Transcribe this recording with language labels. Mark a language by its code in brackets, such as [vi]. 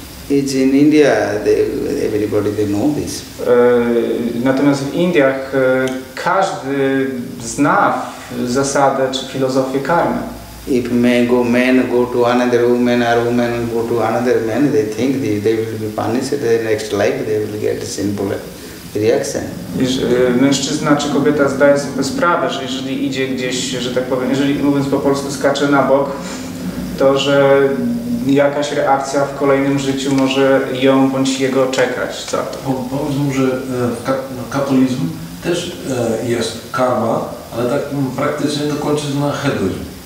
[en] It's in India, everybody they know this. [pl] Natomiast w Indiach każdy zna zasadę czy filozofię karmy. [en] If men go to another woman or woman go to another man, they think they will be punished in the next life, they will get a simple reaction. [pl] Mężczyzna czy kobieta zdaje sobie sprawę, że jeżeli idzie gdzieś, że tak powiem, jeżeli mówiąc po polsku skacze na bok, to że jakaś reakcja w kolejnym życiu może ją bądź jego czekać. Powiedzmy, że katolizm też jest karma, ale tak praktycznie to kończy na hedonizmie.